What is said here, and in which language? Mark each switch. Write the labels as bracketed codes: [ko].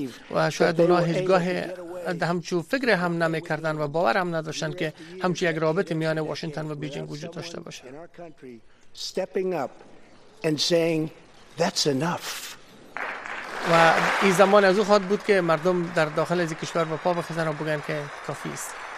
[fa] و شاید اونا هیچگاه همچو فکر هم نمی کردن و باور هم نداشتن که همچی یک رابط میان واشنگتن و بیجینگ وجود داشته باشه. [en] Stepping up and saying that's enough. [fa] و این زمان از او خواهد بود که مردم در داخل از کشور به پا بخیزن و بگن که کافی است.